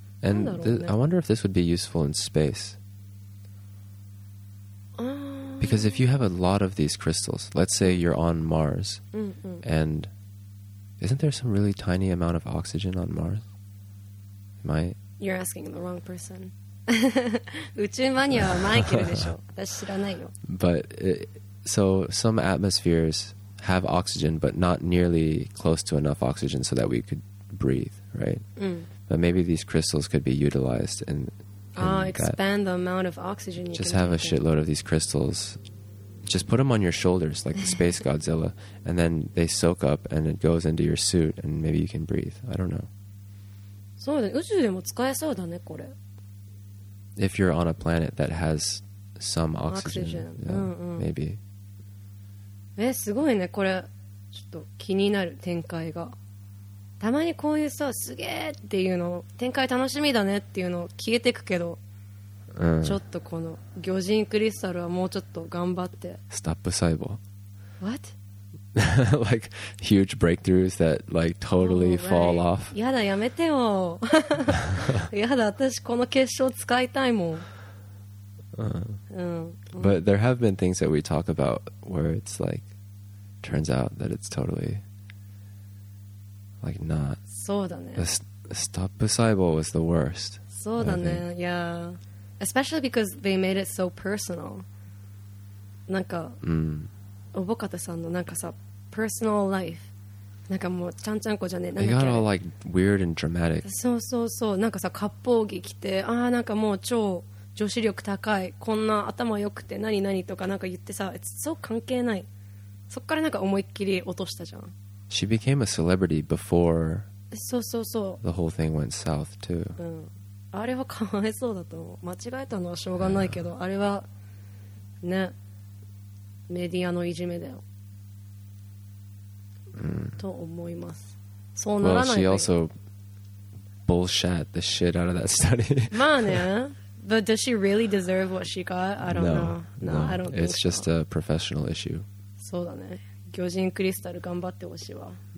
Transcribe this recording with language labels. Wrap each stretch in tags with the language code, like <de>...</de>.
<en>And I wonder if this would be useful in space. Because if you have a lot of these crystals, let's say you're on Mars, and isn't there some really tiny amount of oxygen on Mars? Am I? You're asking the wrong person.</en> <ja>宇宙マニアはマイケルでしょ。私知らないよ。</ja> <en>But so some atmospheres have oxygen, but not nearly close to enough oxygen so that we could breathe, right? But maybe these crystals could be utilized in expand the amount of oxygen you just have a shitload of these crystals. Just put them on your shoulders like the space Godzilla, and then they soak up and it goes into your suit, and maybe you can breathe. I don't know.</en> <ja>そうだね。宇宙でも使えそうだね、これ。</ja> <en>If you're on a planet that has some oxygen, maybe.</en> <ja>え、すごいね、これ。ちょっと気になる展開が。たまにこういうさ、すげーっていうの、展開楽しみだねっていうの消えてくけど、ちょっとこの魚人クリスタルはもうちょっと頑張って。ストップ細胞。</ja> <en>What? Like huge breakthroughs that like totally fall off.</en> <ja>やだやめてよ。やだ、私この結晶使いたいもん。</ja> <en>But there have been things that we talk about where it's like turns out that it's totally. Like not.</en> <ja>そうだね。</ja> <en>ストップ細胞 was the worst.</en> <ja>そうだね。</ja> <en>Yeah. Especially because they made it so personal.</en> <ja>なんか、おぼかたさんのなんかさ、</ja> <en>personal life。</en> <ja>なんかもうちゃんちゃんこじゃねえ。</ja> <en>They got all like weird and dramatic.</en> <ja>そうそうそう。なんかさ、割烹着着て、ああなんかもう超女子力高い。こんな頭良くて何何とかなんか言ってさ、</ja> <en>It's so</en> <ja>関係ない。そっからなんか思いっきり落としたじゃん。</ja> <en>She became a celebrity before</en> <ja>そうそうそう</ja> <en>the whole thing went south too.</en> <ja>あれはかわいそうだと思う。間違えたのはしょうがないけど、あれはね、メディアのいじめだよ。と思います。そうならない</ja> <en>と。Well, she also bullshat the shit out of that study.</en> <ja>まあね。</ja> <en>But does she really deserve what she got? I don't know. No, I don't think so. It's just a professional issue.</en> <ja>そうだね。巨人クリスタル頑張ってほしいわ。</ja>